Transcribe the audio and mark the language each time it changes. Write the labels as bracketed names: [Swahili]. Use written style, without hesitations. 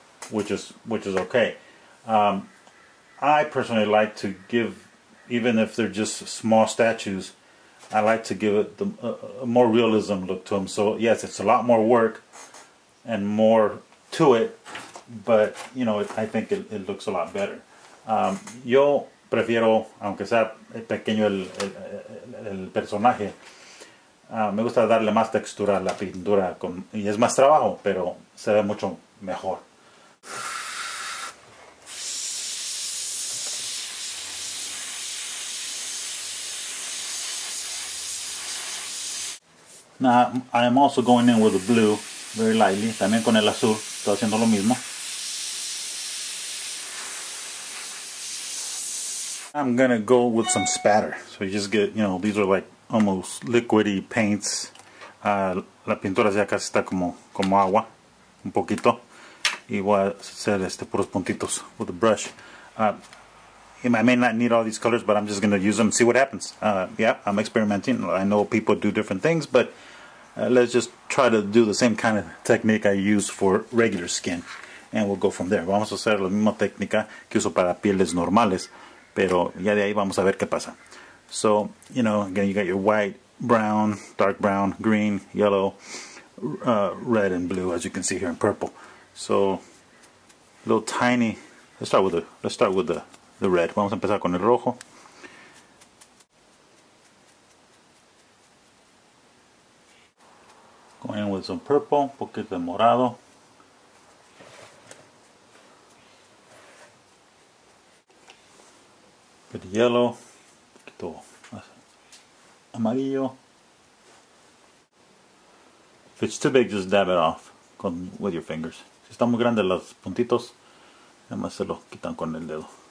[English] Which is okay. I personally like to give, even if they're just small statues, I like to give it the more realism look to them. So yes, it's a lot more work, and more to it, but you know, it, I think it, it looks a lot better. [Spanish] Yo prefiero, aunque sea pequeño el personaje, me gusta darle más textura a la pintura con, y es más trabajo, pero se ve mucho mejor. [English] Now, I am also going in with the blue, very lightly. [Spanish] También con el azul, estoy haciendo lo mismo. [English] I'm gonna go with some spatter. So you just get, you know, these are like almost liquidy paints. [Spanish] La pintura ya casi está como agua, un poquito. Y voy a hacer puros puntitos [English] with the brush. I may not need all these colors, but I'm just gonna use them and see what happens. Yeah, I'm experimenting. I know people do different things, but let's just try to do the same kind of technique I use for regular skin. And we'll go from there. [Spanish] Vamos a hacer la misma técnica que uso para pieles normales. Pero ya de ahí vamos a ver qué pasa. [English] So, you know, again, you got your white, brown, dark brown, green, yellow, red and blue, as you can see here in purple. So, little tiny, let's start with the red. [Spanish] Vamos a empezar con el rojo. [English] Going in with some purple, [Spanish] un poquito de morado. [English] Bit of yellow, [Spanish] poquito amarillo. [English] If it's too big, just dab it off with your fingers. [Spanish] Si está muy grande los puntitos, además se lo quitan con el dedo.